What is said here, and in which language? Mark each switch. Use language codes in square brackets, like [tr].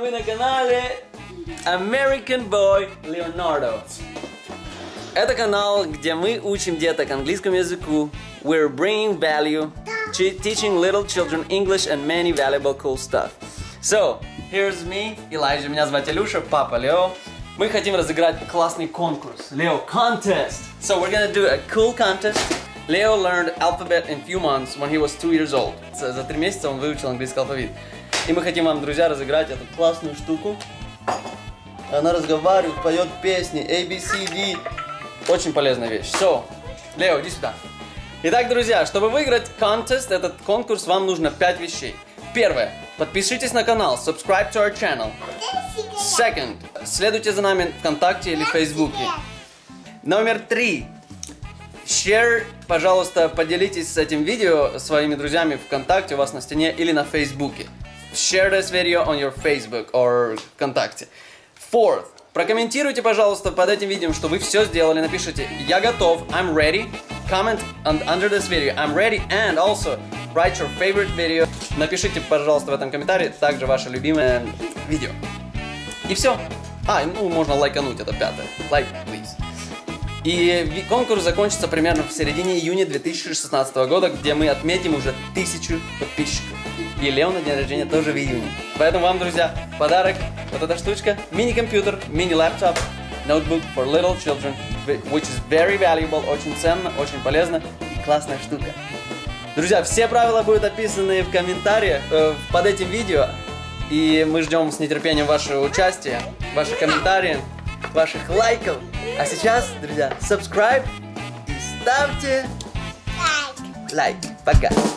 [ru] Вы на канале American Boy Leonardo. Это канал, где мы учим деток английскому языку. [en] We're bringing value, teaching little children English and many valuable cool stuff. So, here's me, Elijah. [ru] Меня зовут Илюша, папа Лео. Мы хотим разыграть классный конкурс. [en] Leo Contest! So, we're gonna do a cool contest. Leo learned alphabet in few months when he was 2 years old. [ru] За 3 месяца он выучил английский алфавит. И мы хотим вам, друзья, разыграть эту классную штуку. Она разговаривает, поет песни, A, B, C, D. Очень полезная вещь. [en] So, [ru] Leo, иди сюда. Итак, друзья, чтобы выиграть contest, этот конкурс, вам нужно 5 вещей. Первое. Подпишитесь на канал. [en] Subscribe to our channel. Second. [ru] Следуйте за нами ВКонтакте или Фейсбуке. Номер 3. Share, пожалуйста, поделитесь с этим видео своими друзьями ВКонтакте, у вас на стене или на Фейсбуке. [en] Share this video on your Facebook or ВКонтакте. Fourth. [ru] Прокомментируйте, пожалуйста, под этим видео, что вы все сделали. Напишите «Я готов», [en] «I'm ready». Comment under this video, «I'm ready». And also write your favorite video. [ru] Напишите, пожалуйста, в этом комментарии также ваше любимое видео. И все. А, ну, можно лайкануть это 5-е. [en] Like, please. [ru] И конкурс закончится примерно в середине июня 2016 года, где мы отметим уже 1000 подписчиков. И Лео на день рождения тоже в июне. Поэтому вам, друзья, подарок. Вот эта штучка. Мини-компьютер, мини-лаптоп. [en] Notebook for little children, which is very valuable, [ru] очень ценно, очень полезно и классная штука. Друзья, все правила будут описаны в комментариях под этим видео. И мы ждем с нетерпением ваше участие, ваши комментарии, ваших лайков. А сейчас, друзья, subscribe и ставьте лайк. Пока.